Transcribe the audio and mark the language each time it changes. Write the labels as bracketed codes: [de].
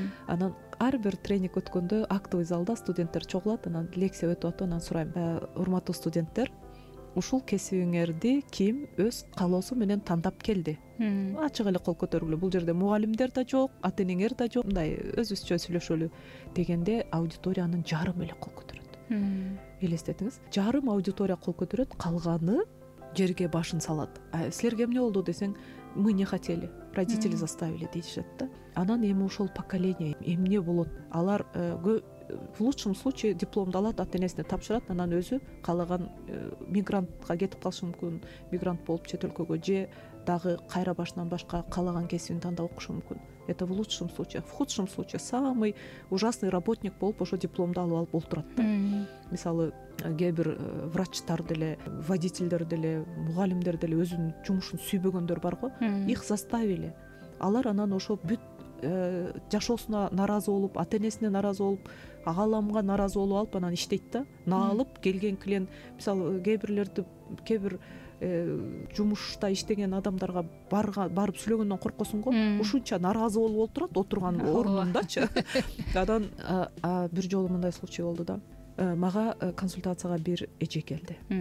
[ky] Анан ар бир тренинг өткөндө актовый залда студенттер чогулат, анан лекция өтүп атып, анан сурайм: урматтуу студенттер, ушул кесибиңерди ким өз каалоосу менен тандап келди? Ачык эле кол көтөргүлө, бул жерде мугалимдер да жок, ата-энеңер да жок, мындай өзүбүзчө сүйлөшөлү дегенде аудиториянын жарым эле кол көтөрөт. Элестетиңиз, жарым аудитория кол көтөрөт, калганы жерге башын салат. Силерге эмне болду десең, [ru] мы не хотели, родители заставили [ky] дейшет да. Анан эми ушул поколение эмне болот? Алар [ru] в лучшем случае [ky] дипломду алат, ата-энесине тапшырат, анан өзү каалаган мигрантка кетип калышы мүмкүн, мигрант болуп чет өлкөгө, же дагы кайра башынан башка каалаган кесибин тандап окушу мүмкүн. [ru] Это в лучшем случае. В худшем случае самый ужасный работник [ky] болуп ошо дипломду алып алып олтурат да. Мисалы кээ бир врачтар деле, водительдер деле, мугалимдер деле өзүнүн жумушун сүйбөгөндөр бар го, [ru] их заставили. [ky] Алар анан ошо бүт жашоосуна нааразы болуп, ата-энесине нааразы болуп, агаламга нааразы болуп алып анан иштейт да. Наалып келген клиент, мисалы кээ бирлерди, кээ бир жумушта иштеген адамдарга барып сүйлөгөндөн коркосуң го, ушунча нааразы болуп олтурат отурган орнундачы. Анан бир жолу мындай случай болду да. Мага консультацияга бир эже келди.